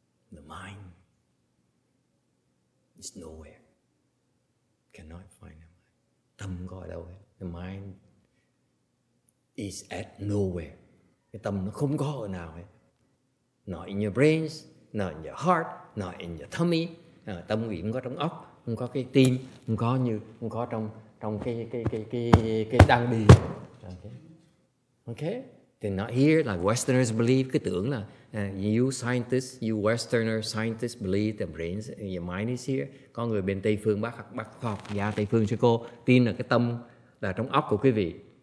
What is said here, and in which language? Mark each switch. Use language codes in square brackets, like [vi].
[en] The mind is nowhere. Cannot find the mind. [vi] Tâm có ở đâu hết. [en] The mind is at nowhere. [vi] Cái tâm nó không có ở nào hết. [en] Not in your brains, not in your heart, not in your tummy. [vi] Tâm nghĩ không có trong óc, không có cái tim, không có như, không có trong trong cái đang đi. [en] Okay? [vi] Thì nó [en] here like Westerners believe, [vi] cứ tưởng là [en] you Westerner scientists believe that brains and your mind is here. [vi] Có người bên Tây phương bác khoa học gia Tây phương sư cô tin là cái tâm là trong óc của quý vị.